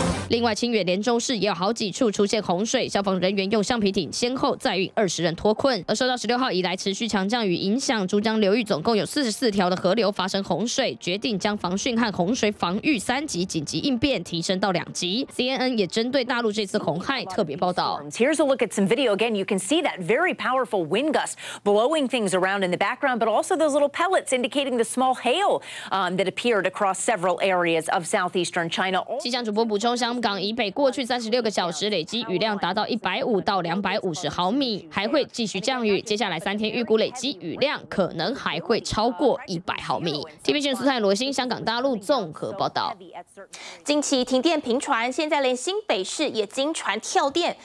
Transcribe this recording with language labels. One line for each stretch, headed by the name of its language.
Chinese: 另外，清远连州市也有好几处出现洪水，消防人员用橡皮艇先后载运20人脱困。而受到16号以来持续强降雨影响，珠江流域总共有44条的河流发生洪水，决定将防汛和洪水防御三级紧急应变提升到2级。 CNN 也针对大陆这次洪害特别报道。
English: Here's a look at some video again. You can see that very powerful wind gust blowing things around in the background, but also those little pellets indicating the small hail that appeared across several areas of southeastern China.
Chinese: 气象主播补充下。香港以北过去36个小时累积雨量达到150到250毫米，还会继续降雨。接下来3天预估累积雨量可能还会超过100毫米。 TVBS 斯坦罗新香港大陆综合报道。近期停电频传，现在连新北市也经传跳电。